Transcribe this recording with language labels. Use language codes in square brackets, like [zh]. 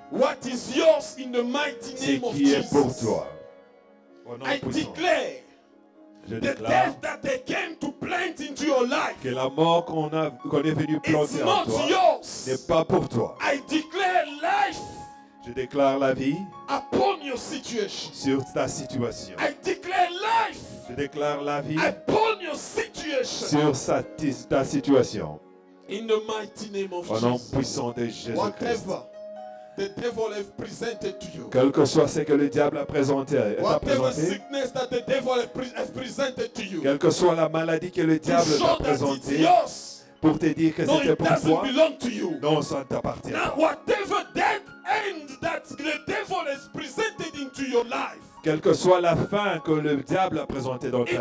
[en] What is yours in the mighty name of Jesus. [fr] Ce qui est pour toi. Au nom puissant. [en] I declare. [fr] Je [en] the death that they came to plant into your life. [fr] Que la mort qu'on est venu planter en toi [en] yours. [fr] N'est pas pour toi. [en] I declare life. [fr] Je déclare la vie. [en] Upon your situation. [fr] Sur ta situation. [en] I declare life. [fr] Je déclare la vie. [en] Upon your situation. [fr] Sur ta situation. [en] In the mighty name of [fr] Jesus. Au nom puissant de Jésus Christ. [en] The devil has presented to you. [fr] Quel que soit ce que le diable a présenté, [en] sickness that the devil has presented to you. [fr] Quelle que soit la maladie que le diable a présenté, pour te dire que [en] no, [fr] c'était pour toi. [en] Belong to you. [fr] Non, ça ne t'appartient pas. [en] Whatever death end that the devil has presented into your life. [fr] Quelle que soit la fin que le diable a présenté dans ta